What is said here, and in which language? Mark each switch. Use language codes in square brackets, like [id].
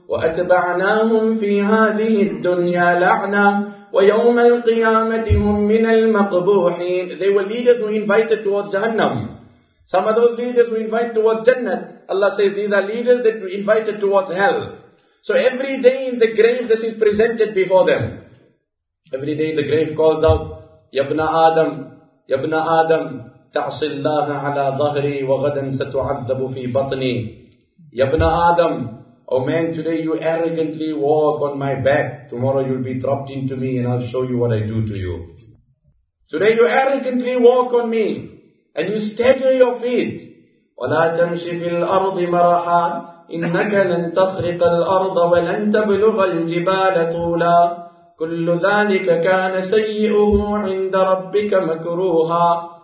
[ar] وَأَتْبَعْنَاهُمْ فِي هَذِهِ الدُّنْيَا لَعْنًا وَيَوْمَ الْقِيَامَةِ هُمْ مِنَ الْمَقْبُوحِينَ. [en] They were leaders who invited towards Jahannam. Some of those leaders who invite towards Jannah. Allah says these are leaders that were invited towards hell. So every day in the grave this is presented before them. Every day the grave calls out, [ar] يَبْنَ آدَمْ يَبْنَ آدَمْ تَعْصِ اللَّهَ عَلَى ظَهْرِي وَغَدًا سَتُعَذَّبُ فِي بَطْنِي. يَبْنَ آدَمْ. [en] O man, today you arrogantly walk on my back. Tomorrow you'll be dropped into me and I'll show you what I do to you. Today you arrogantly walk on me and you stagger your feet. [ar] وَلَا تَمْشِ فِي الْأَرْضِ مَرَحًا إِنَّكَ لَنْ تَخْرِقَ الْأَرْضَ وَلَنْ تَبْلُغَ الْجِبَالَ طُولًا كُلُّ ذَلِكَ كَانَ سَيِّئُهُ عِنْدَ رَبِّكَ مَكْرُوهًا.